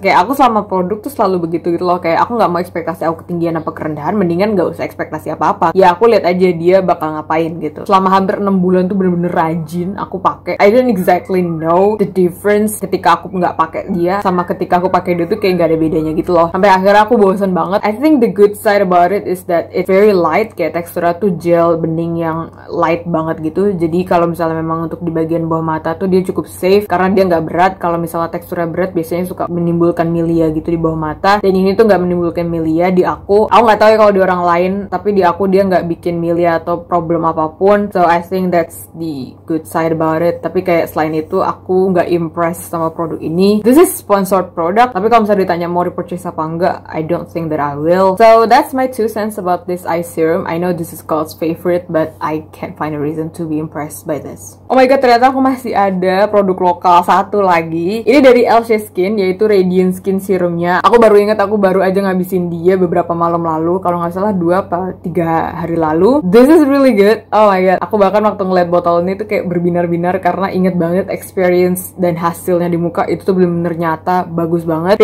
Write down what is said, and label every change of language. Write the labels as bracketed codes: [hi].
[id] Kayak aku selama produk tuh selalu begitu gitu loh. Kayak aku nggak mau ekspektasi aku ketinggian apa kerendahan, mendingan nggak usah ekspektasi apa-apa. Ya aku lihat aja dia bakal ngapain gitu. Selama hampir 6 bulan tuh bener-bener rajin aku pakai. [en] I don't exactly know the difference [id] ketika aku nggak pakai dia sama ketika aku pakai dia, tuh kayak nggak ada bedanya gitu loh. Sampai akhirnya aku bosan banget. [en] I think the good side about it is that it's very light. [id] Kayak teksturnya tuh gel bening yang light banget gitu. Jadi kalau misalnya memang untuk di bagian bawah mata tuh dia cukup safe, karena dia nggak berat. Kalau misalnya teksturnya berat biasanya suka menimbulkan milia gitu di bawah mata, dan ini tuh nggak menimbulkan milia di aku. Aku nggak tahu ya kalau di orang lain, tapi di aku dia nggak bikin milia atau problem apapun. [en] So I think that's the good side about it. [id] Tapi kayak selain itu aku nggak impressed sama produk ini. [en] This is sponsored product, [id] tapi kalau misalnya ditanya mau repurchase apa enggak, [en] I don't think that I will. So that's my two cents about this eye serum. I know this is God's favorite, but I can't find a reason to be impressed by this. [id] Oh my god, ternyata aku masih ada produk lokal satu lagi. Ini dari LC Skin, yaitu Radiant Skin Serumnya. Aku baru ingat, aku baru aja ngabisin dia beberapa malam lalu, kalau nggak salah 2 atau 3 hari lalu. [en] This is really good. Oh my god, [id] aku bahkan waktu ngeliat botol ini tuh kayak berbinar-binar, karena inget banget experience dan hasilnya di muka itu tuh bener-bener nyata, bagus banget.